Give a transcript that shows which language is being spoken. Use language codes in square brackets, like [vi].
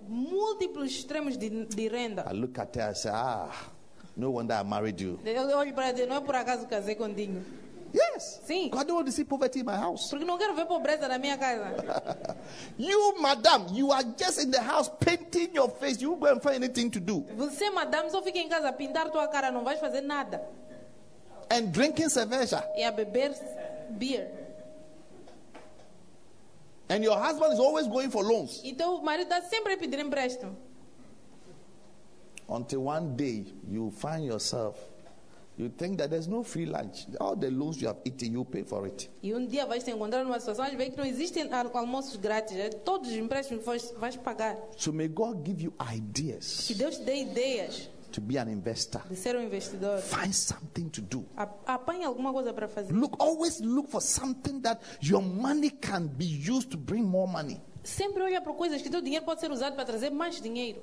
[pt] Múltiplos extremos de renda. [en] I look at her and say, ah, no wonder I married you. [pt] Eu olho para ela, não é por acaso que casei contigo. [en] Yes. [pt] Sim. [en] I don't want to see poverty in my house. [pt] Porque não quero ver pobreza na minha casa. [en] You, madam, you are just in the house painting your face. You won't go and find anything to do. [pt] Você, madame, só fica em casa a pintar tua cara, não vais fazer nada. [en] And drinking cerveja. [pt] E a beber beer. [en] And your husband is always going for loans. [pt] E teu marido está sempre pedindo empréstimo. [en] Until one day you find yourself. You think that there's no free lunch. All the loans you have eaten, you pay for it. [pt] E um dia vai se encontrar numa situação de ver que não existem almoços grátis. Todos os empréstimos vais pagar. [en] So may God give you ideas. [pt] Que Deus dê ideias. [en] To be an investor. [pt] De ser investidor. [en] Find something to do. [pt] Apanhe alguma coisa para fazer. [en] Look, always look for something that your money can be used to bring more money. [pt] Sempre olha para coisas que teu dinheiro pode ser usado para trazer mais dinheiro.